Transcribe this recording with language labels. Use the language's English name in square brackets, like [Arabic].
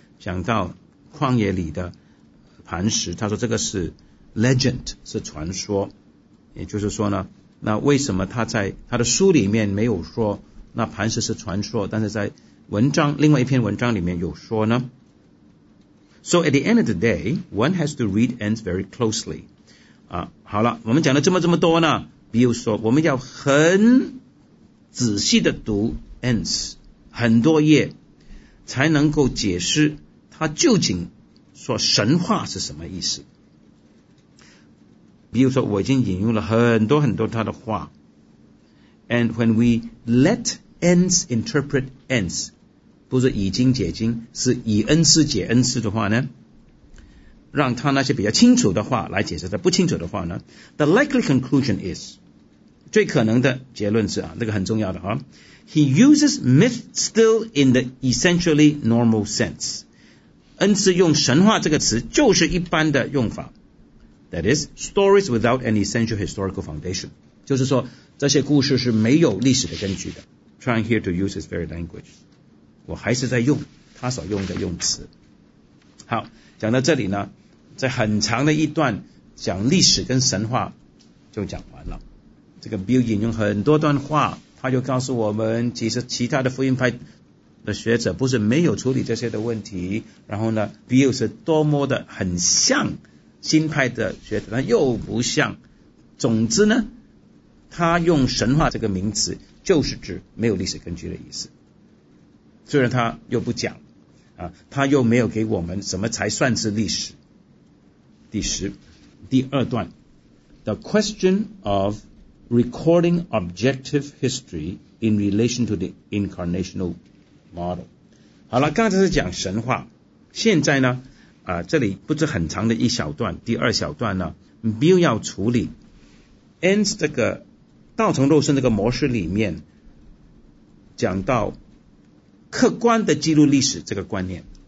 [Chinese] 讲到旷野里的磐石，他说这个是 legend, 是传说。也就是说呢，那为什么他在他的书里面没有说那磐石是传说，但是在文章另外一篇文章里面有说呢？ [English] So at the end of the day, one has to read ends very closely. [Chinese] 好了，我们讲了这么多呢，比如说我们要很仔细的读 ends, 很多页才能够解释他究竟说神话是什么意思。比如说我已经引用了很多很多他的话， [English] And when we let ends interpret ends, [Chinese] 不是以经解经，是以恩师解恩师的话呢，让他那些比较清楚的话来解释他不清楚的话呢， [English] The likely conclusion is, [Chinese] 最可能的结论是啊，那个很重要的啊， [English] He uses myth still in the essentially normal sense. [Chinese] 恩赐用神话这个词就是一般的用法。 [English] That is, stories without an essential historical foundation. [Chinese] 就是说这些故事是没有历史的根据的。 [English] Trying here to use his very language. [Chinese] 我还是在用他所用的用词。好，讲到这里呢，在很长的一段讲历史跟神话就讲完了。这个 Bill 引用很多段话，他就告诉我们，其实其他的福音派的学者不是没有处理这些的问题，然后呢 ，Bill 是多么的很像新派的学者，但又不像。总之呢，他用神话这个名词，就是指没有历史根据的意思。虽然他又不讲，他又没有给我们什么才算是历史。第十，第二段 ， [English] The question of。 Recording objective history in relation to the incarnational model. [Chinese] 好了，刚才是讲神话，现在呢，这里不是很长的一小段，第二小段呢 ，Bill 要处理 ，Ends 这个道成肉身这个模式里面讲到客观的记录历史这个观念。